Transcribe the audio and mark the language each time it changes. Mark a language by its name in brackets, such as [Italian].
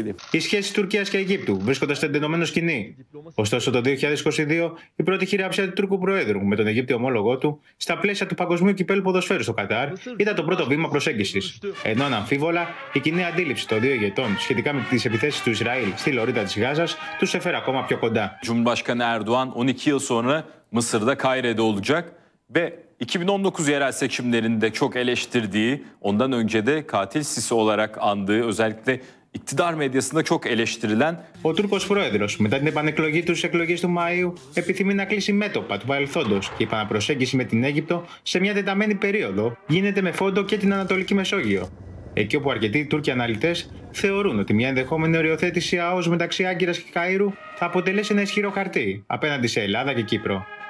[Greek] Η σχέση Τουρκίας και Αιγύπτου βρίσκονταν στην εντενωμένη σκηνή. Ωστόσο, το 2022, η πρώτη χειράψια του Τούρκου Προέδρου με τον Αιγύπτιο ομόλογό του στα πλαίσια του Παγκοσμίου Κυπέλλου Ποδοσφαίρου στο Κατάρ ήταν το πρώτο βήμα προσέγγισης. Ενώ αναμφίβολα η κοινή αντίληψη των δύο ηγετών σχετικά με τις επιθέσεις του Ισραήλ στη Λωρίδα της Γάζας τους έφερε ακόμα πιο κοντά. [Turkish] Cumhurbaşkanı Erdoğan 12 yıl sonra Mısır'da Kahire'de olacak ve 2019 yerel seçimlerinde çok eleştirdiği, ondan önce de katil Sisi olarak andığı özellikle İktidar medyasında çok eleştirilen [Greek] ο Τούρκος Πρόεδρος, μετά την επανεκλογή του στις εκλογές του Μαΐου, επιθυμεί να κλείσει μέτωπα του παρελθόντος και η επαναπροσέγγιση με την Αίγυπτο σε μια τεταμένη περίοδο γίνεται με φόντο και την Ανατολική Μεσόγειο. Εκεί όπου αρκετοί Τούρκοι αναλυτές θεωρούν ότι μια ενδεχόμενη οριοθέτηση ΑΟΣ μεταξύ Άγκυρας και Καΐρου θα αποτελέσει ένα ισχυρό χαρτί απέναντι σε Ελλάδα και Κύπρο.